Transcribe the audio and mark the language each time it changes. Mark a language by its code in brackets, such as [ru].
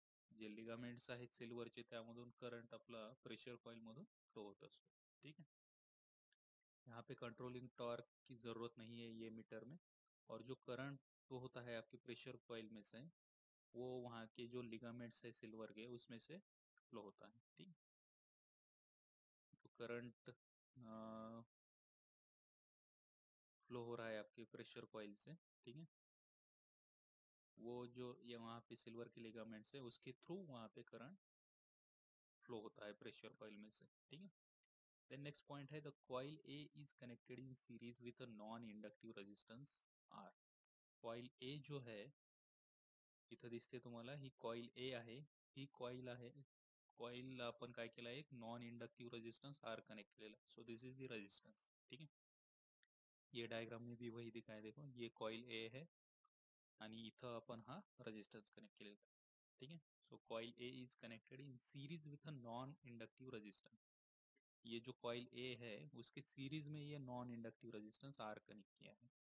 [mr] जे लिगामेंट्स आहेत सिल्वरचे, त्यामधून करंट आपला प्रेशर कॉइल मधून फ्लो होत असतो, ठीक आहे। [hi] यहाँ पे कंट्रोलिंग टॉर्क की जरूरत नहीं है ये मीटर में, और जो करंट तो होता है आपके प्रेशर कॉइल में से, वो वहां के जो लिगामेंट्स है सिल्वर के, उसमें से फ्लो होता है, ठीक। तो करंट फ्लो हो रहा है आपके प्रेशर कॉइल से, ठीक है। वो जो ये वहां पे सिल्वर के लिगामेंट्स है, उसके थ्रू वहां पे करंट फ्लो होता है प्रेशर कॉइल में से, ठीक है। [en] Then next point है, the coil A is connected in series with a non inductive resistance R. [mr] Coil ए जो है, इथे दिसते तुम्हाला, ही कॉइल ए आहे, ही कॉइल आहे, कॉइल आपण काय केलंय, एक non inductive resistance R connect केलेला। [en] so this is the resistance, [hi] ठीक है। ये डायग्राम में भी वही दिखाए, देखो ये कॉइल ए है [mr] आणि इथे आपण हा रेजिस्टेंस कनेक्ट केलेला, [hi] ठीक। है. [en] So coil A is connected in series with a non inductive resistance. [hi] ये जो कॉइल ए है उसके सीरीज में ये non inductive resistance R connect किया है.